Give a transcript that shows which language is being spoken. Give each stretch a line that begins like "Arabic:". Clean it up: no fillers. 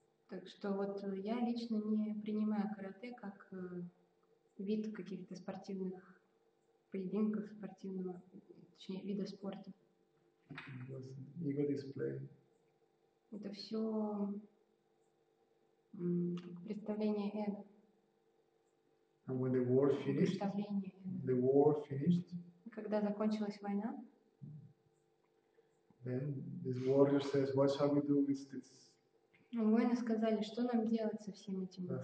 Russian: Так что вот я лично не принимаю карате как вид каких-то спортивных поединков, спортивного, точнее, вида спорта.
English: Ego display.
Russian: Это все представление эго.
English: And when the war finished, the war finished.
Russian: Когда закончилась война?
English: Then this warrior says, "What shall we do with this?"
Russian: Воины сказали, что нам делать со всем этим